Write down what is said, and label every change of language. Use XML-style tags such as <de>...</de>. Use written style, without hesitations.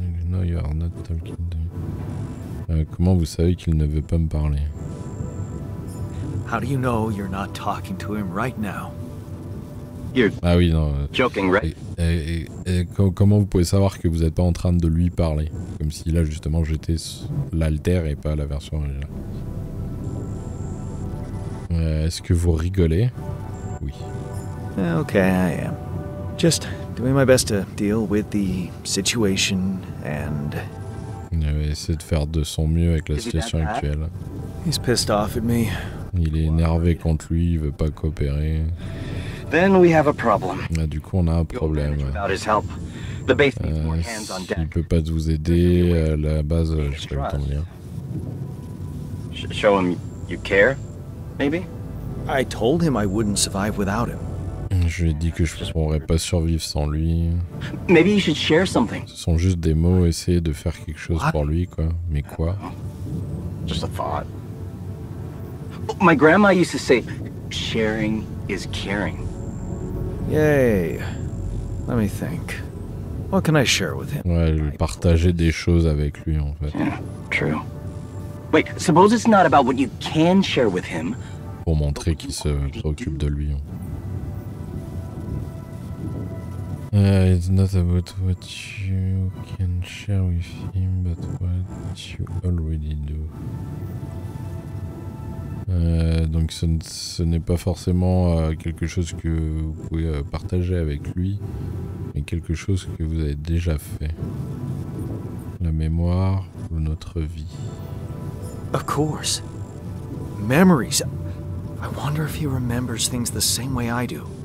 <en>No, you are not talking to me.</en> <fr>Comment vous savez qu'il ne veut pas me parler?</fr> <en>How do you know you're not talking to him right now? You're</en> <fr>ah oui, non.</fr> <en>Joking, right?</en> <fr>Comment vous pouvez savoir que vous êtes pas en train de lui parler? Comme si là justement j'étais l'alter et pas la version originale. Est-ce que vous rigolez? Oui.</fr> <en>Okay, I am. Just doing my best to deal with the situation and...</en> <fr>Il va essayer de faire de son mieux avec la situation actuelle.</fr> <en>He's pissed off at me.</en> <fr>Il est énervé contre lui, il veut pas coopérer.</fr> <en>Then we have a problem.</en> <fr>Là, du coup, on a un problème. S'il peut pas vous aider, la base, je sais pas comment dire.</fr> <en>Show him you care, maybe. I told him I wouldn't survive without him.</en> <fr>Je lui ai dit que je ne pourrais pas survivre sans lui.</fr> <en>Maybe you should share something.</en> <fr>Ce sont juste des mots, essayer de faire quelque chose pour lui, quoi. Mais quoi?</fr> <en>Just a thought. My grandma used to say, sharing is caring. Yay. Let me think. What can I share with him?</en> <fr>Ouais, partager des choses avec lui, en fait.</fr> <en>Yeah, true. Wait, suppose it's not about what you can share with him.</en> <fr>Pour montrer qu'il se préoccupe de lui.</fr> <en>It's not about what you can share with him, but what you already do.</en> <fr>Donc ce n'est pas forcément quelque chose que vous pouvez partager avec lui, mais quelque chose que vous avez déjà fait. La mémoire ou notre vie.</fr> <en>Of course. Memories. I wonder if he remembers things the same way I do.</en>